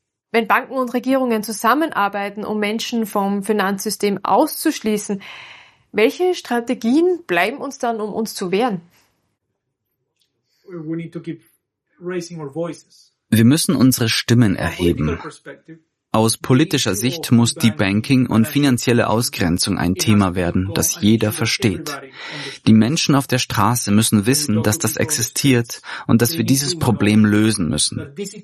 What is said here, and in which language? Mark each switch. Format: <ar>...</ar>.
<de>Wenn Banken und Regierungen zusammenarbeiten, um Menschen vom Finanzsystem auszuschließen, welche Strategien bleiben uns dann, um uns zu wehren?</de> <en>We need to keep raising our voices.</en> <de>Wir müssen unsere Stimmen erheben. Aus politischer Sicht muss die Banking- und finanzielle Ausgrenzung ein Thema werden, das jeder versteht. Die Menschen auf der Straße müssen wissen, dass das existiert und dass wir dieses Problem lösen müssen.</de>